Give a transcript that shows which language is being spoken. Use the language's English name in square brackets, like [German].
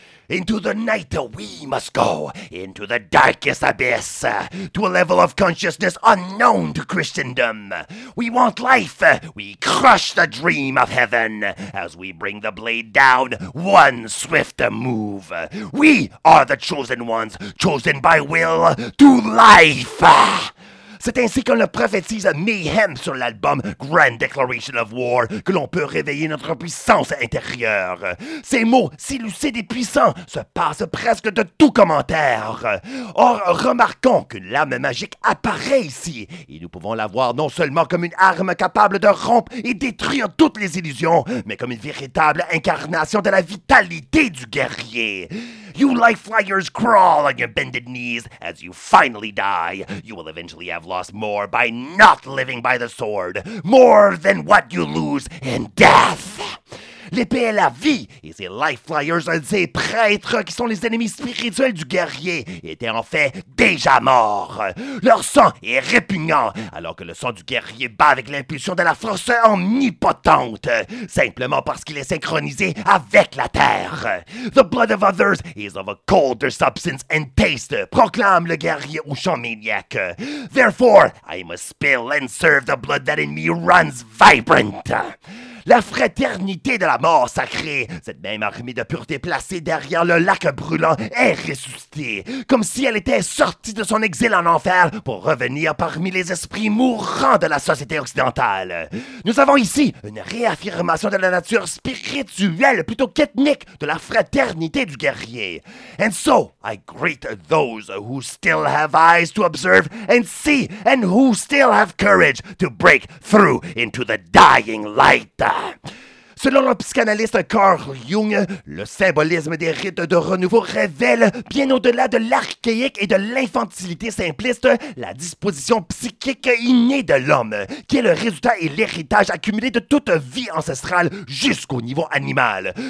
[English] Into the night we must go, into the darkest abyss, to a level of consciousness unknown to Christendom. We want life, we crush the dream of heaven, as we bring the blade down, one swift move. We are the chosen ones, chosen by will to life. [French] C'est ainsi qu'on le prophétise Mayhem sur l'album Grand Declaration of War que l'on peut réveiller notre puissance intérieure. Ces mots, si lucides et puissants, se passent presque de tout commentaire. Or, remarquons qu'une lame magique apparaît ici, et nous pouvons la voir non seulement comme une arme capable de rompre et détruire toutes les illusions, mais comme une véritable incarnation de la vitalité du guerrier. [English] You life flyers crawl on your bended knees as you finally die. You will eventually have lost more by not living by the sword, more than what you lose in death. [French] L'épée est la vie, et ces life flyers, ces prêtres qui sont les ennemis spirituels du guerrier, étaient en fait déjà morts. Leur sang est répugnant, alors que le sang du guerrier bat avec l'impulsion de la force omnipotente, simplement parce qu'il est synchronisé avec la terre. [English] The blood of others is of a colder substance and taste, [French] proclame le guerrier au chant maniaque. [English] Therefore, I must spill and serve the blood that in me runs vibrant. [French] La fraternité de la mort sacrée, cette même armée de pureté placée derrière le lac brûlant, est ressuscitée, comme si elle était sortie de son exil en enfer pour revenir parmi les esprits mourants de la société occidentale. Nous avons ici une réaffirmation de la nature spirituelle, plutôt qu'ethnique, de la fraternité du guerrier. [English] And so, I greet those who still have eyes to observe and see, and who still have courage to break through into the dying light. [French] Selon le psychanalyste Carl Jung, le symbolisme des rites de renouveau révèle, bien au-delà de l'archaïque et de l'infantilité simpliste, la disposition psychique innée de l'homme, qui est le résultat et l'héritage accumulé de toute vie ancestrale jusqu'au niveau animal.